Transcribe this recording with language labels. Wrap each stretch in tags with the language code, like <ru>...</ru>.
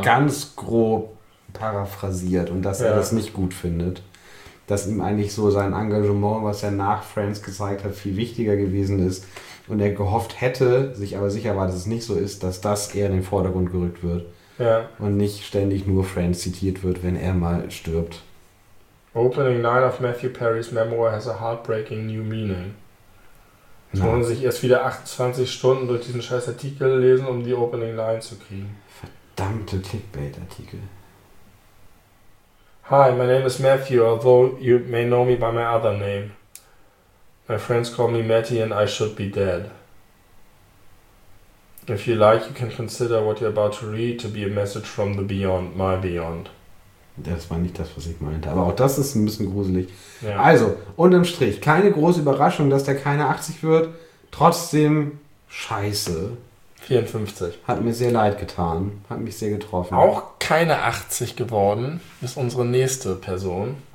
<de>Ganz grob paraphrasiert und dass er das nicht gut findet. Dass ihm eigentlich so sein Engagement, was er nach Friends gezeigt hat, viel wichtiger gewesen ist. Und er gehofft hätte, sich aber sicher war, dass es nicht so ist, dass das eher in den Vordergrund gerückt wird. Ja. Und nicht ständig nur Friends zitiert wird, wenn er mal stirbt.</de> <en>Opening Night of Matthew Perry's Memoir has a heartbreaking new meaning.</en> <de>Jetzt wollen sich erst wieder 28 Stunden durch diesen scheiß Artikel lesen, um die Opening Line zu kriegen. Verdammte Clickbait-Artikel.</de> <en>Hi, my name is Matthew, although you may know me by my other name. My friends call me Matty and I should be dead. If you like, you can consider what you're about to read to be a message from the beyond, my beyond.</en> <de>Das war nicht das, was ich meinte. Aber auch das ist ein bisschen gruselig. Ja. Also, unterm Strich, keine große Überraschung, dass der keine 80 wird. Trotzdem, scheiße. 54. Hat mir sehr leid getan. Hat mich sehr getroffen. Auch keine 80 geworden ist unsere nächste Person.</de>